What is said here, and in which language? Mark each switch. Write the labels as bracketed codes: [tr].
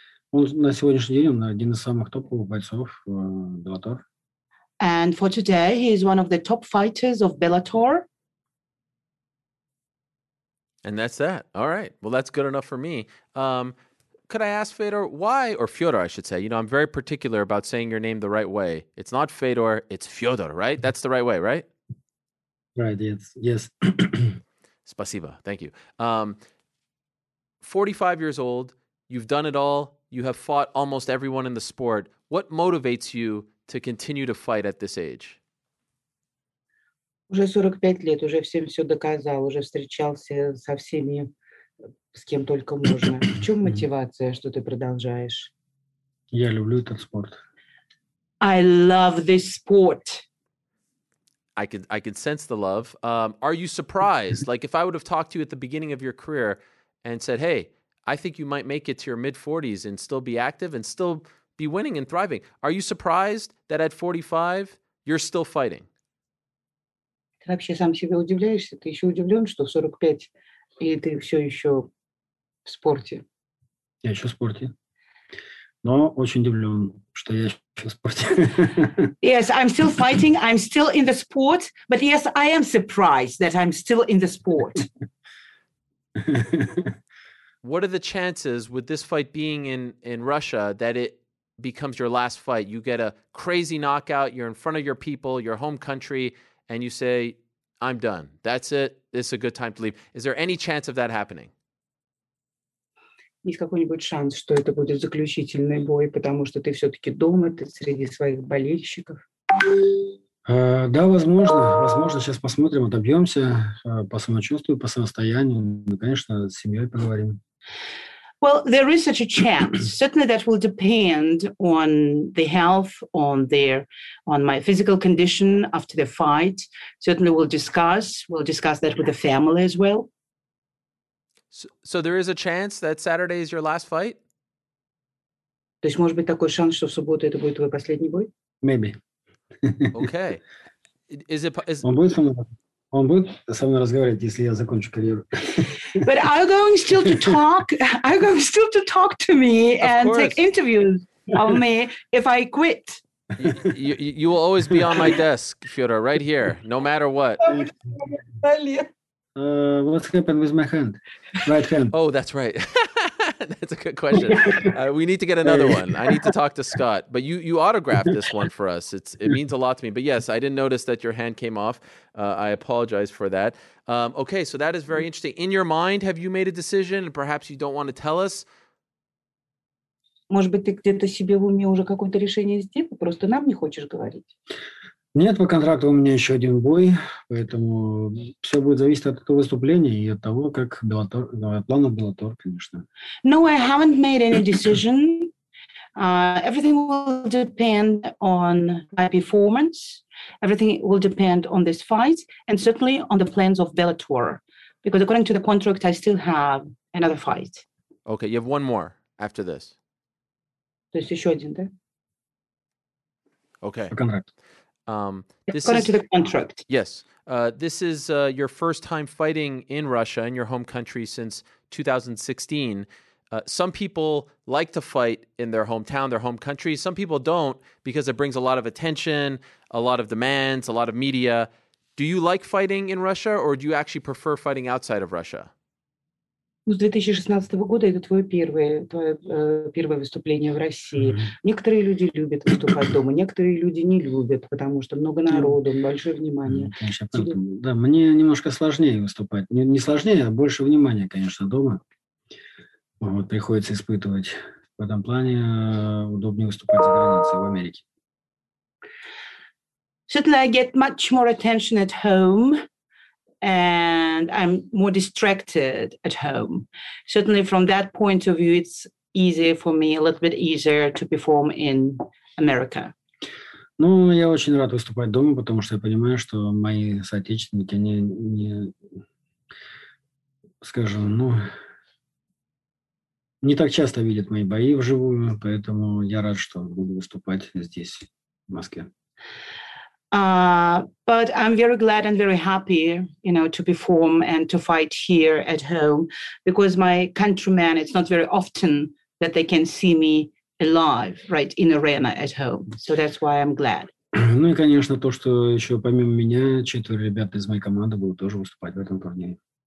[ru] Он на сегодняшний день он один из самых топовых бойцов Bellator. [en] And for today, he is one of the top fighters of Bellator. And that's that. All right. Well, that's good enough for me. Could I ask Fedor why, or Fyodor, I should say? You know, I'm very particular about saying your name the right way. It's not Fedor, it's Fyodor, right? That's the right way, right? Right. Yes. [ru] Спасибо. [en] Thank you. 45 years old. You've done it all. You have fought almost everyone in the sport. What motivates you to continue to fight at this age? [ru] Уже 45 лет, уже всем все доказал, уже встречался со всеми, с кем только можно. В чем мотивация, что ты продолжаешь? Я люблю этот спорт. [en] I love this sport. I can sense the love. Are you surprised? Like if I would have talked to you at the beginning of your career and said, hey, I think you might make it to your mid-40s and still be active and still be winning and thriving. Are you surprised that at 45, you're still fighting? [ru] Ты вообще сам себе удивляешься? Ты еще удивлен, что в 45, и ты все еще в спорте? Я еще в спорте. Но очень удивлен, что я еще в спорте. [en] Yes, I'm still fighting, I'm still in the sport. But yes, I am surprised that I'm still in the sport. What are the chances with this fight being in Russia that it becomes your last fight? You get a crazy knockout, you're in front of your people, your home country, and you say, I'm done. That's it. This is a good time to leave. Is there any chance of that happening? [ru] Есть какой-нибудь шанс, что это будет заключительный бой, потому что ты все-таки дома, ты среди своих болельщиков? Да, возможно. Возможно, сейчас посмотрим, отобьемся по самочувствию, по самостоянию. Мы, конечно, с семьей поговорим. [en] Well, there is such a chance. Certainly that will depend on the health, on my physical condition after the fight. Certainly we'll discuss that with the family as well. So there is a chance that Saturday is your last fight? [ru] То есть может быть такой шанс, что в субботу это будет твой последний бой? [en] Maybe. Okay. Is [ru] он будет со мной? Он будет со мной разговаривать, если я закончу карьеру. [en] But are you going still to talk to me and take interviews of me if I quit? You will always be on my desk, Fyodor, right here, no matter what. What's happened with my hand? Right hand. Oh, that's right. That's a good question. We need to get another one. I need to talk to Scott. But you autographed this one for us. It means a lot to me. But yes, I didn't notice that your hand came off. I apologize for that. Okay, so that is very interesting. In your mind, have you made a decision? And perhaps you don't want to tell us. [ru] Может быть, ты где-то себе в уме уже какое-то решение сделал, просто нам не хочешь говорить? Нет, по контракту у меня еще один бой, поэтому все будет зависеть от этого выступления и от того, как планов Беллатор, конечно. [en] No, I haven't made any decision. Everything will depend on my performance. Everything will depend on this fight and certainly on the plans of Bellator. Because according to the contract, I still have another fight. Okay, you have one more after this. [ru] То есть еще один, да? [en] Okay. [ru] По контракту. [en] According to the contract. Yes. This is your first time fighting in Russia, in your home country, since 2016. Some people like to fight in their hometown, their home country. Some people don't because it brings a lot of attention, a lot of demands, a lot of media. Do you like fighting in Russia or do you actually prefer fighting outside of Russia? [ru] Ну, с 2016 года это твое первое выступление в России. Mm-hmm. Некоторые люди любят выступать дома, некоторые люди не любят, потому что много народу, большое внимание. Да, мне немножко сложнее выступать. Не сложнее, а больше внимания, конечно, дома. Вот, приходится испытывать. В этом плане удобнее выступать за границей, в Америке. [en] Certainly, I get much more attention at home. And I'm more distracted at home. Certainly from that point of view, it's easier for me, a little bit easier to perform in America. [ru] Ну, я очень рад выступать дома, потому что я понимаю, что мои соотечественники, они не, скажем, ну, не так часто видят мои бои вживую, поэтому я рад, что буду выступать здесь, в Москве. [en] But I'm very glad and very happy, you know, to perform and to fight here at home, because my countrymen, it's not very often that they can see me alive, right, in arena at home. So that's why I'm glad. [ru] Ну и, конечно, то, что еще помимо меня, четверо ребят из моей команды будут тоже выступать в этом турнире.